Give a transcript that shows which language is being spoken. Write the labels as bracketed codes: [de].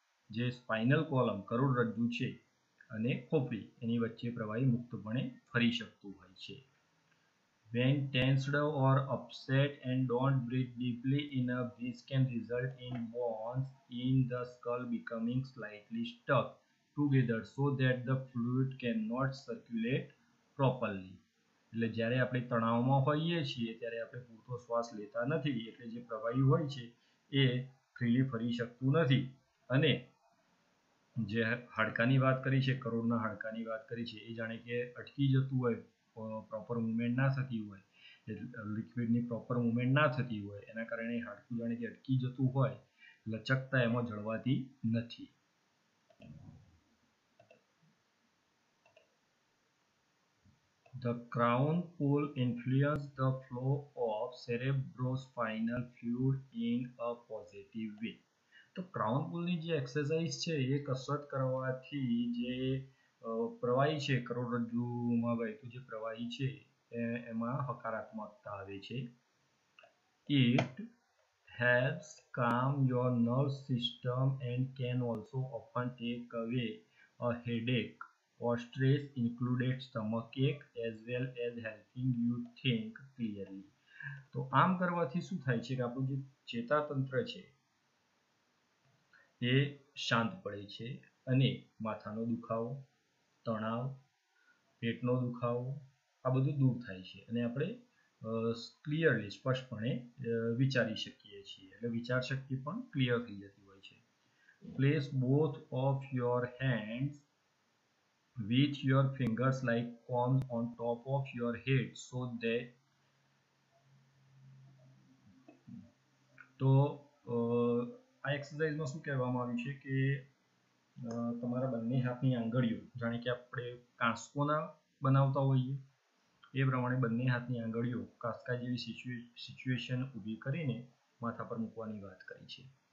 [gu] જે spinal column કરોડરજ્જુ છે અને ખોપડી એની વચ્ચે પ્રવાહી મુક્તપણે ફરી શકતું હોય છે. [en] When tensed or upset and don't breathe deeply enough, this can result in bones in the skull becoming slightly stuck together so that the fluid cannot circulate properly. [gu] એટલે જ્યારે આપણે તણાવમાં હોઈએ છીએ ત્યારે આપણે પૂરતો શ્વાસ લેતા નથી એટલે જે પ્રવાહી હોય છે એ ફ્રીલી ફરી શકતું નથી, અને જે હાડકાની વાત કરી છે, કરોડના હાડકાની વાત કરી છે, એ જાણે કે અટકી જતું હોય, પ્રોપર મુવમેન્ટ ના થતી હોય, લિક્વિડની પ્રોપર મુવમેન્ટ ના થતી હોય, એના કારણે હાડકું જાણે કે અટકી જતું હોય, લચકતા એમાં જળવાતી નથી. [en] The crown pull influences the flow of cerebrospinal fluid in a positive way. [gu] તો ક્રાઉન પુલની જે એક્સરસાઇઝ છે એ કસરત કરવાથી જે પ્રવાહી છે કરોડરજ્જુમાં વહેતું જે પ્રવાહી છે એમાં હકારાત્મકતા આવે છે. [en] It helps calm your nerve system and can also often take away a headache or stress, including stomachache, as well as helping you think clearly. [gu] તો આમ કરવાથી શું થાય છે કે આપણું જે ચેતાતંત્ર છે એ શાંત પડે છે અને માથાનો દુખાવો, તણાવ, પેટનો દુખાવો આ બધું દૂર થાય છે અને આપણે ક્લિયરલી સ્પષ્ટપણે વિચારી શકીએ છીએ, એટલે વિચાર શક્તિ પણ ક્લિયર થઈ જતી હોય છે. [en] place both of your hands with your fingers like palms on top of your head so that to [gu] આ એક્સરસાઇઝમાં શું કહેવામાં આવ્યું છે કે તમારા બંને હાથની આંગળીઓ, જાણે કે આપણે કાંસકોના બનાવતા હોઈએ એ પ્રમાણે બંને હાથની આંગળીઓ કાંસકા જેવી સિચ્યુએશન ઊભી કરીને માથા પર મૂકવાની વાત કરી છે.